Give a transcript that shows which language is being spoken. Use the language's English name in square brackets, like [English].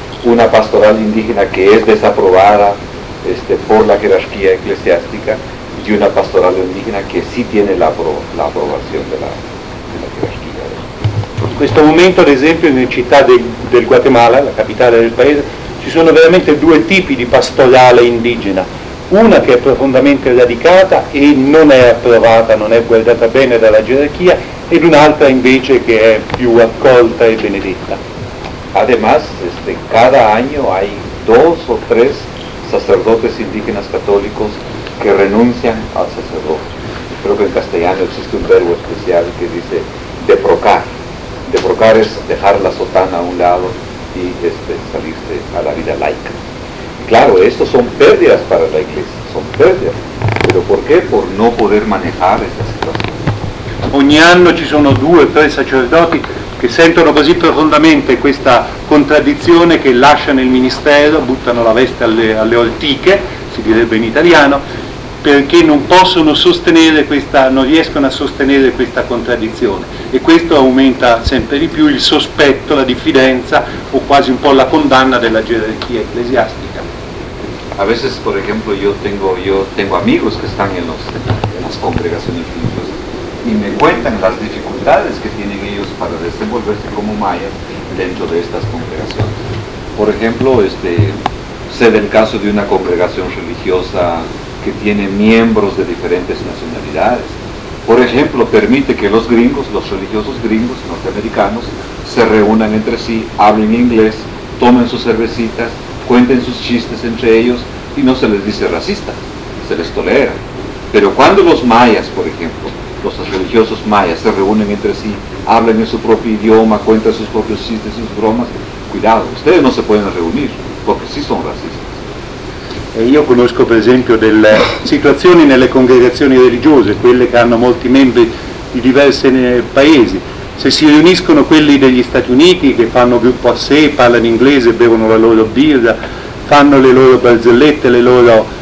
[Spanish] Una pastoral indígena que es desaprobada por la jerarquía eclesiástica y una pastoral indígena que sí tiene la aprobación de la jerarquía. [Italian] In questo momento, ad esempio, nelle città del Guatemala, la capitale del paese, ci sono veramente due tipi di pastorale indigena. Una che è profondamente radicata e non è approvata, non è guardata bene dalla gerarchia, ed un'altra invece che è più accolta e benedetta. [Spanish] Además, cada año hay dos o tres sacerdotes indígenas católicos que renuncian al sacerdote. Creo que en castellano existe un verbo especial que dice deprocar. Deprocar es dejar la sotana a un lado y salirse a la vida laica. Claro, estos son pérdidas para la Iglesia, son pérdidas. ¿Pero por qué? Por no poder manejar esta situación. [Italian] Ogni anno ci sono due o tre sacerdoti che sentono così profondamente questa contraddizione che lasciano il ministero, buttano la veste alle ortiche, si direbbe in italiano, perché non possono sostenere questa, non riescono a sostenere questa contraddizione. E questo aumenta sempre di più il sospetto, la diffidenza o quasi un po' la condanna della gerarchia ecclesiastica. [Spanish] A veces, por ejemplo, yo tengo amigos que están en las congregaciones religiosas y me cuentan las dificultades que tienen ellos para desenvolverse como mayas dentro de estas congregaciones. Por ejemplo, sé del caso de una congregación religiosa que tiene miembros de diferentes nacionalidades. Por ejemplo, permite que los gringos, los religiosos gringos norteamericanos, se reúnan entre sí, hablen inglés, tomen sus cervecitas, cuenten sus chistes entre ellos y no se les dice racista, se les tolera. Pero cuando los mayas, por ejemplo, los religiosos mayas se reúnen entre sí, hablan en su propio idioma, cuentan sus propios chistes, sus bromas, cuidado, ustedes no se pueden reunir porque sí son racistas. [Italian] Io conosco per esempio delle situazioni nelle congregazioni religiose, quelle che hanno molti membri di diversi paesi. Se si riuniscono quelli degli Stati Uniti che fanno gruppo a sé, parlano inglese, bevono la loro birra, fanno le loro barzellette, le loro...